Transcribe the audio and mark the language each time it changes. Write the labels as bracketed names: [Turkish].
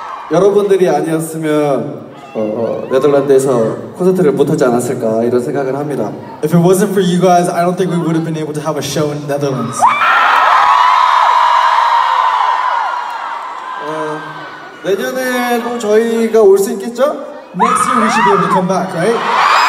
[Korean] 여러분들이 아니었으면 네덜란드에서 콘서트를 못하지 않았을까 이런 생각을 합니다. [English] If it wasn't for you guys, I don't think we would have been able to have a show in Netherlands. [Korean] 내년에 또 저희가 올 수 있겠죠? [English] Next year we should be able to come back, right?